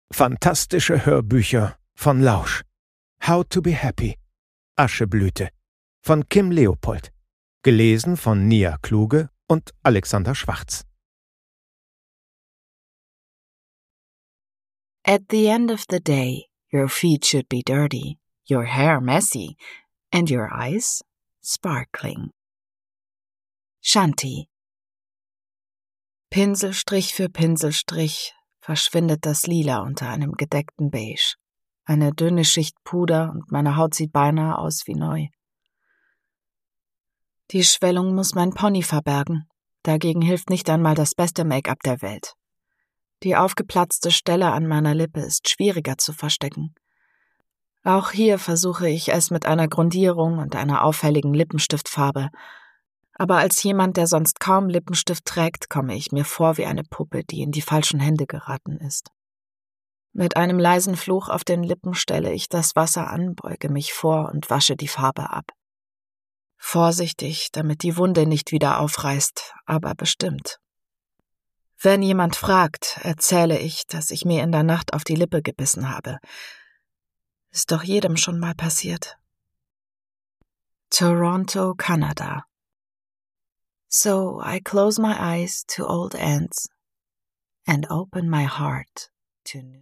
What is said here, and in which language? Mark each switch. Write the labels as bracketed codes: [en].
[de] Fantastische Hörbücher von Lausch. How to be happy. Ascheblüte. Von Kim Leopold. Gelesen von Nia Kluge und Alexander Schwarz. [en] At the end of the day, your feet should be dirty, your hair messy, and your eyes sparkling. [sa] Shanti. [de] Pinselstrich für Pinselstrich verschwindet das Lila unter einem gedeckten Beige. Eine dünne Schicht Puder und meine Haut sieht beinahe aus wie neu. Die Schwellung muss mein Pony verbergen. Dagegen hilft nicht einmal das beste Make-up der Welt. Die aufgeplatzte Stelle an meiner Lippe ist schwieriger zu verstecken. Auch hier versuche ich es mit einer Grundierung und einer auffälligen Lippenstiftfarbe. Aber als jemand, der sonst kaum Lippenstift trägt, komme ich mir vor wie eine Puppe, die in die falschen Hände geraten ist. Mit einem leisen Fluch auf den Lippen stelle ich das Wasser an, beuge mich vor und wasche die Farbe ab. Vorsichtig, damit die Wunde nicht wieder aufreißt, aber bestimmt. Wenn jemand fragt, erzähle ich, dass ich mir in der Nacht auf die Lippe gebissen habe. Ist doch jedem schon mal passiert. Toronto, Kanada. [en] So I close my eyes to old ends and open my heart to new.